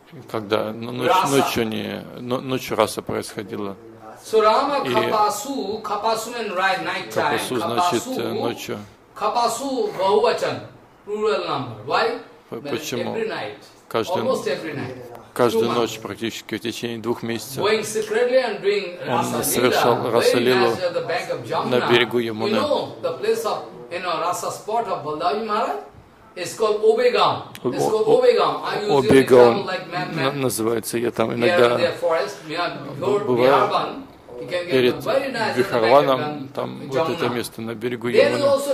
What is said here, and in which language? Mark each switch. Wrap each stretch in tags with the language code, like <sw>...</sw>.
<ru>Когда ночью раса происходила.</ru> <en>So, Rama, и Khapasu, Khapasu and Rai, nighttime.</en> <sa>Khapasu,</sa> <ru>значит ночью.</ru> <en>Khapasu, Bahuvachan, plural number. Why?</en> <ru>Почему?</ru> <en>Every night.</en> <ru>Каждый,</ru> <en>almost every night.</en> <ru>Каждую</ru> <en>two</en> <ru>ночь, практически в течение двух месяцев.</ru> <en>Going secretly and doing</en> <ru>он</ru> <en>Rasa</en> <ru>совершал Расалилу на берегу Ямуны.</ru> <en>You know, the place of, you know, Rasa spot of Baladev Maharaj? It's called Obegam.</en> <ru>Называется, я там иногда бываю перед Вихарваном, там вот это место на берегу Ямуны.</ru>